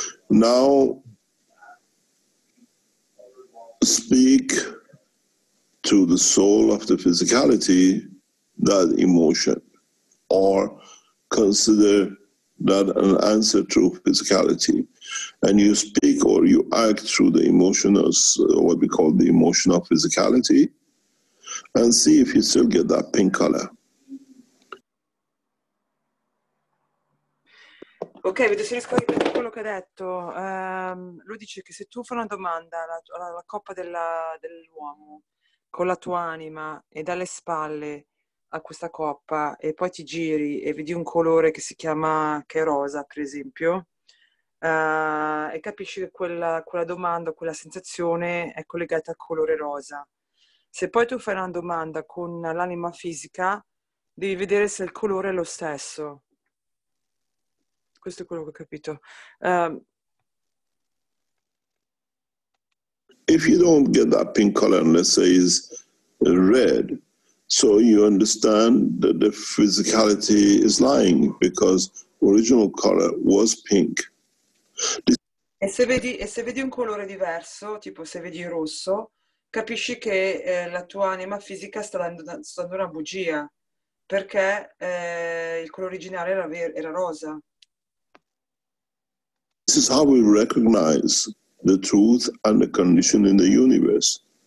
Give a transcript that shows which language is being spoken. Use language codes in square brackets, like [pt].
[en] Now, speak to the soul of the physicality, that emotion, or consider that an answer through physicality. And you speak or you act through the emotion, what we call the emotion of physicality, and see if you still get that pink color. [it] Ok, mi riferisco a quello che ha detto. Lui dice che se tu fai una domanda alla coppa dell'uomo con la tua anima e dalle spalle a questa coppa e poi ti giri e vedi un colore che si chiama, che è rosa, per esempio, e capisci che quella domanda, quella sensazione è collegata al colore rosa. Se poi tu fai una domanda con l'anima fisica, devi vedere se il colore è lo stesso. Questo è quello che ho capito. [en] If you don't get that pink color, let's say it's red, so you understand that the physicality is lying because original color was pink. [it] E se vedi un colore diverso, tipo se vedi rosso, capisci che la tua anima fisica sta dando una bugia, perché il colore originale era rosa. [en] This is how we recognize the truth and the condition in the universe.